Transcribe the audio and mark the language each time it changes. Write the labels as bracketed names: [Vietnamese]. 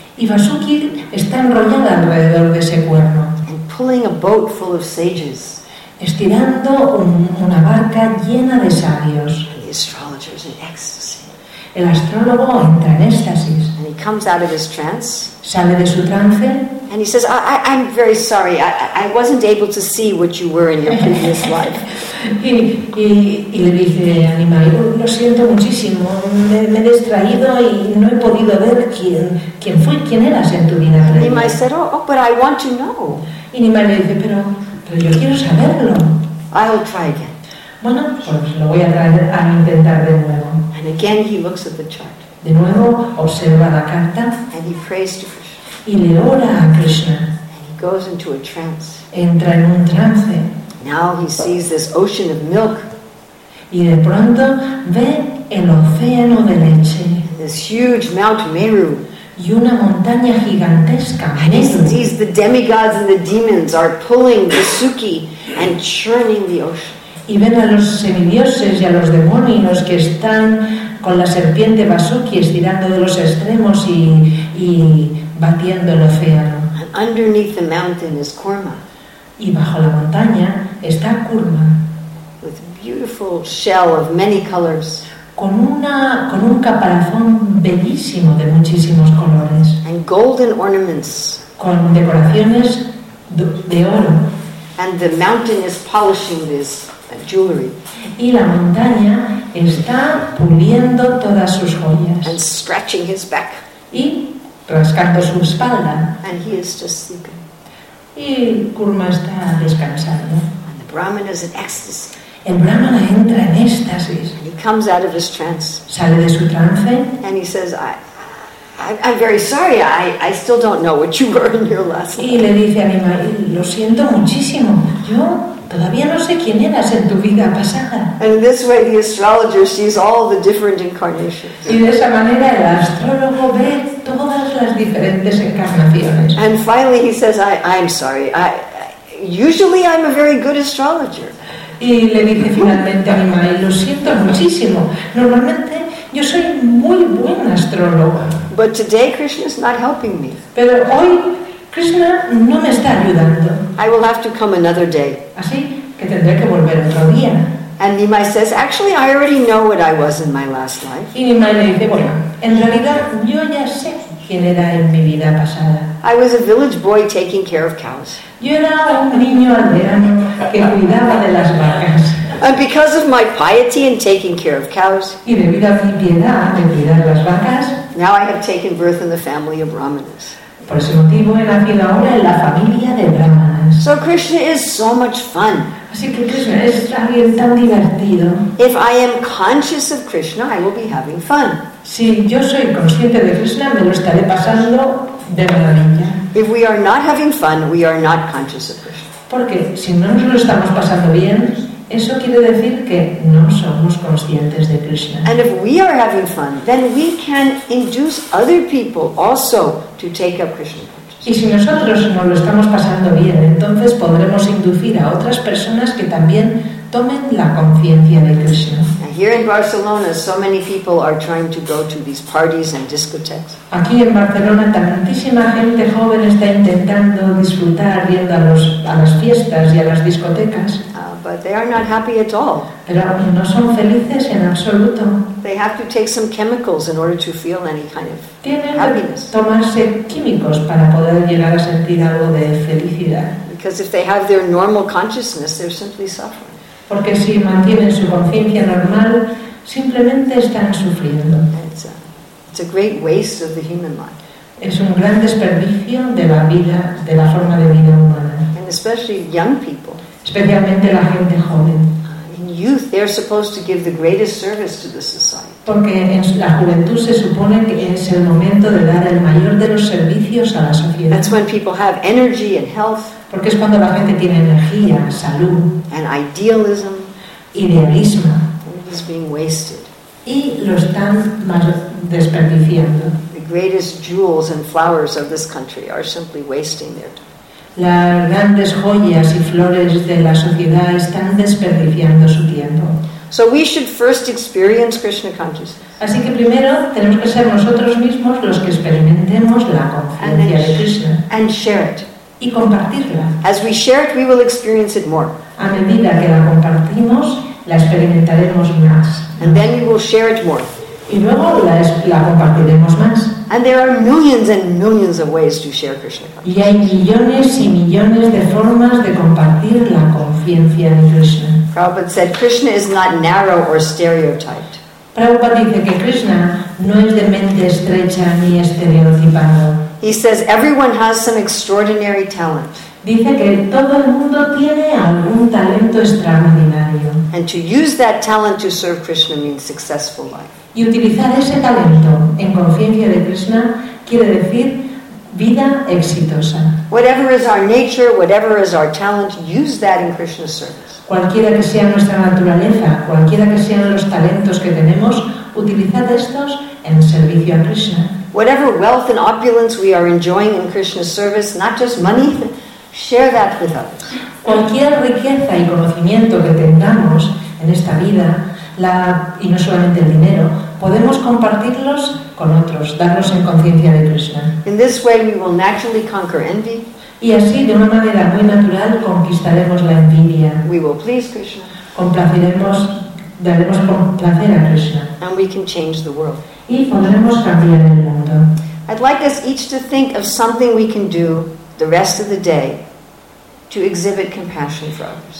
[Spanish] y Vasuki está enrollada alrededor de ese cuerno, [English] and pulling a boat full of sages, [Spanish] estirando una barca llena de sabios. [English] And the astrologer is in ecstasy. [Spanish] El astrólogo entra en éxtasis. [English] And he comes out of his trance. [Spanish] Sale de su trance. [English] And he says, "I'm very sorry. I wasn't able to see what you were in your previous life." [Spanish] y le dice a Nimai, "Lo siento muchísimo. Me he distraído y no he podido ver quién eras en tu vida previa." [English] Nimai said, "Oh, but I want to know." [Spanish] Y Nimai le dice, "Pero yo quiero saberlo." [English] "I'll try again." [Spanish] Bueno, pues lo voy a intentar de nuevo. [English] And again he looks at the chart. [Spanish] De nuevo observa la carta. [English] And he prays to Krishna. [Spanish] Y le ora a Krishna. [English] And he goes into a trance. [Spanish] Entra en un trance. [English] Now he sees this ocean of milk. [Spanish] Y de pronto ve el océano de leche. [English] This huge Mount Meru. [Spanish] Y una montaña gigantesca. [English] And he sees the demigods and the demons are pulling the Suki and churning the ocean. [Spanish] Y ven a los semidioses y a los demonios que están con la serpiente Vasuki estirando de los extremos y batiendo el océano. [English] And underneath the mountain is Kurma. [Spanish] Y bajo la montaña está Kurma. [English] With beautiful shell of many colors. [Spanish] Con un caparazón bellísimo de muchísimos colores. [English] And golden ornaments. [Spanish] Con decoraciones de oro. [English] And the mountain is polishing this. Jewelry. [Spanish] Y la montaña está puliendo todas sus joyas. [English] And scratching his back. [Spanish] Y rascando su espalda. [English] And he is just sleeping. [Spanish] Y Kurma está descansando. [English] And the Brahmana is in ecstasy. [Spanish] El Brahmana entra en éxtasis. [English] And he comes out of his trance. [Spanish] Sale de su trance. [English] And he says, I'm very sorry. I still don't know what you were in your last life. [Spanish] Y le dice a mi marido, "Lo siento muchísimo. Yo todavía no sé quién eras en tu vida pasada." [English] And in this way, the astrologer sees all the different incarnations. [Spanish] Y de esa manera el astrólogo ve todas las diferentes encarnaciones. [English] And finally, he says, "I'm sorry. I usually I'm a very good astrologer." [Spanish] Y le dice finalmente a mi madre, lo siento muchísimo, normalmente yo soy muy buen astrólogo. [English] But today Krishna is not helping me. [Spanish] Pero hoy Krishna no me está ayudando. [English] I will have to come another day. [Spanish] Así que tendré que volver otro día. [English] And Nimai says, actually, I already know what I was in my last life. [Spanish] Y Nimai le dice, bueno, en realidad yo ya sé quién era en mi vida pasada. [English] I was a village boy taking care of cows. [Spanish] Yo era un niño aldeano que cuidaba de las vacas. [English] And because of my piety in taking care of cows, [Spanish] y debido a mi piedad de cuidar las vacas, [English] now I have taken birth in the family of Brahmanas. [Spanish] Por ese motivo he nacido ahora en la familia de Brahmanas. [English] So Krishna is so much fun. [Spanish] Así que Krishna es alguien tan divertido. [English] If I am conscious of Krishna, I will be having fun. [Spanish] Si yo soy consciente de Krishna, me lo estaré pasando de maravilla. [English] If we are not having fun, we are not conscious of Krishna. [Spanish] Porque si no nos lo estamos pasando bien, eso quiere decir que no somos conscientes de Krishna. [English] And if we are having fun, then we can induce other people also to take up Krishna consciousness. [Spanish] Y si nosotros no lo estamos pasando bien, entonces podremos inducir a otras personas que también tomen la conciencia de Krishna. [English] And here in Barcelona, so many people are trying to go to these parties and discotheques. [Spanish] Aquí en Barcelona, tantísima gente joven está intentando disfrutar yendo a las fiestas y a las discotecas. [English] But they are not happy at all. [Spanish] Pero no son felices en absoluto. [English] They have to take some chemicals in order to feel any kind of [Spanish] tienen [English] happiness. [Spanish] Tienen que tomarse químicos para poder llegar a sentir algo de felicidad. [English] Because if they have their normal consciousness, they're simply suffering. [Spanish] Porque si mantienen su conciencia normal, simplemente están sufriendo. [English] It's a great waste of the human life. [Spanish] Es un gran desperdicio de la vida, de la forma de vida humana. [English] And especially young people. [Spanish] Especialmente la gente joven. [English] In youth, they are supposed to give the greatest service to the society. [Spanish] Porque en la juventud se supone que es el momento de dar el mayor de los servicios a la sociedad. [English] That's when people have energy and health. [Spanish] Porque es cuando la gente tiene energía, salud. [English] And idealism. [Spanish] Idealismo. [English] And it's being wasted. [Spanish] Y lo están desperdiciando. [English] The greatest jewels and flowers of this country are simply wasting their time. [Spanish] Las grandes joyas y flores de la sociedad están desperdiciando su tiempo. [English] So we should first experience Krishna consciousness. [Spanish] Así que primero tenemos que ser nosotros mismos los que experimentemos la conciencia de Krishna. [English] And share it. [Spanish] Y compartirla. [English] As we share it, we will experience it more. [Spanish] A medida que la compartimos, la experimentaremos más. [English] And then we will share it more. [Spanish] Y luego la compartiremos más. [English] And there are millions and millions of ways to share Krishna consciousness. [Spanish] Y hay millones y millones de formas de compartir la conciencia de Krishna. [English] Prabhupada said Krishna is not narrow or stereotyped. [Spanish] Prabhupada dice que Krishna no es de mente estrecha ni estereotipado. [English] He says everyone has some extraordinary talent. [Spanish] Dice que todo el mundo tiene algún talento extraordinario. [English] And to use that talent to serve Krishna means successful life. [Spanish] Y utilizar ese talento en conciencia de Krishna quiere decir vida exitosa. [English] Whatever is our nature, whatever is our talent, use that in Krishna's service. [Spanish] Cualquiera que sea nuestra naturaleza, cualquiera que sean los talentos que tenemos, utilizad estos en servicio a Krishna. [English] Whatever wealth and opulence we are enjoying in Krishna's service, not just money, share that with others. [Spanish] Cualquier riqueza y conocimiento que tengamos en esta vida, y no solamente el dinero, podemos compartirlos con otros, darlos en conciencia de Krishna. [English] In this way we will naturally conquer envy. [Spanish] Y así, de una manera muy natural, conquistaremos la envidia. [English] We will please Krishna. [Spanish] Complaciremos, daremos placer a Krishna. [English] And we can change the world. [Spanish] Y podremos cambiar el mundo. [English] I'd like us each to think of something we can do the rest of the day to exhibit compassion for others.